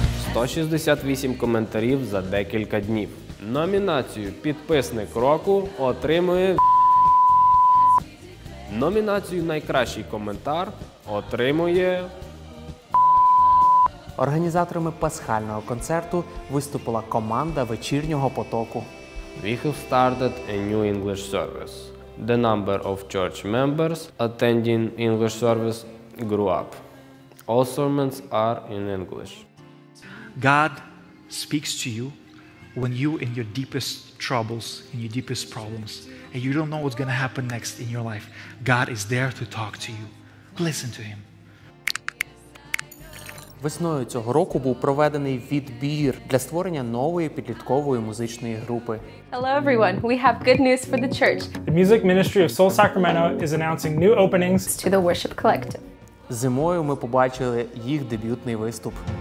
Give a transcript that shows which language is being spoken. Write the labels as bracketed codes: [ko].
[uk] 168 коментарів за декілька днів. Номінацію «Підписник року» отримує номінацію «Найкращий коментар» отримує організаторами пасхального концерту виступила команда «Вечірнього потоку». [en] We have started a new English service. The number of church members attending English service grew up. All sermons are in English. God speaks to you when you in your deepest troubles, in your deepest problems, and you don't know what's going to happen next in your life. God is there to talk to you. Listen to Him. [uk] Весною цього року був проведений відбір для створення нової підліткової музичної групи. [en] Hello everyone. We have good news for the church. The Music Ministry of Seoul Sacramento is announcing new openings to the worship collective. [uk] Зимою ми побачили їх дебютний виступ.